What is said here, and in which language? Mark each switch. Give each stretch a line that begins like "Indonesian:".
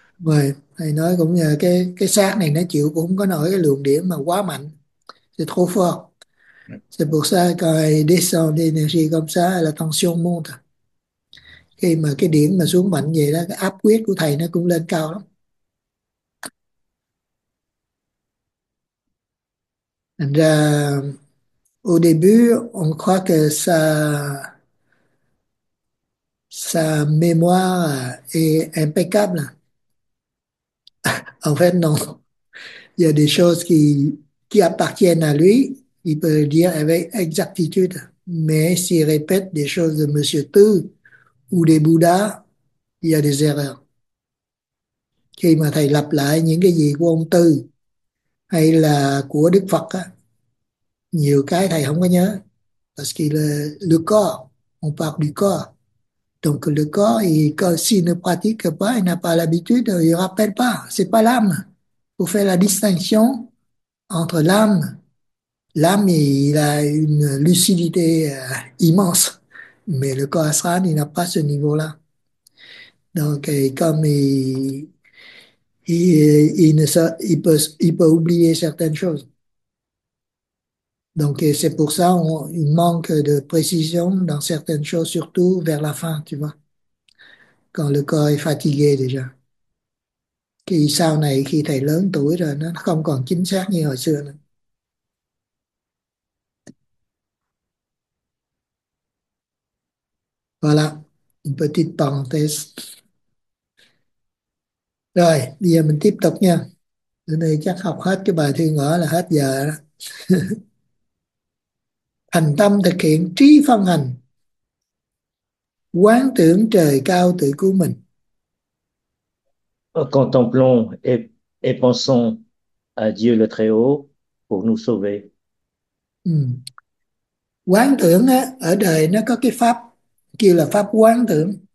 Vietnamese: Ouais, thầy nói cũng nhờ cái xác này nó chịu cũng có nổi cái lượng điện mà quá mạnh thì
French: trop fort c'est pour ça que descend d'énergie comme ça là tension monte,
Vietnamese: khi mà cái điện mà xuống mạnh vậy đó cái áp huyết của thầy nó cũng lên cao lắm, thành ra
French: au début on croit que sa mémoire est impeccable. En fait, non. Il y a des choses qui appartiennent à lui, il peut le dire avec exactitude. Mais s'il répète des choses de Monsieur Tư ou des Bouddhas, il y a des erreurs.
Vietnamese: Khi mà thầy lặp lại những cái gì của ông Tư hay là của Đức Phật á, nhiều cái thầy không có nhớ.
French: Parce qu'il est le corps, on parle du corps. Donc le corps, s'il ne pratique pas, il n'a pas l'habitude, il ne rappelle pas, ce n'est pas l'âme. Pour faire la distinction entre l'âme, il a une lucidité immense, mais le corps astral, il n'a pas ce niveau-là. Donc comme il peut oublier certaines choses. Donc c'est pour ça qu'il manque de précision dans certaines choses, surtout vers la fin, tu vois, quand le corps est fatigué déjà.
Vietnamese: Khi sau này khi thầy lớn tuổi rồi nó không còn chính xác như hồi xưa nữa.
French: Voilà, une petite parenthèse.
Vietnamese: Rồi, bây giờ mình tiếp tục nha. Bữa nay chắc học hết cái bài thi ngữ là hết giờ đó. Thành tâm thực hiện trí phân hành, quán tưởng trời cao tự cứu mình.
French: Contemplons et pensons à Dieu le Très-Haut pour nous sauver.
Vietnamese: Quán tưởng á, ở đời nó có cái pháp kêu là pháp quán tưởng.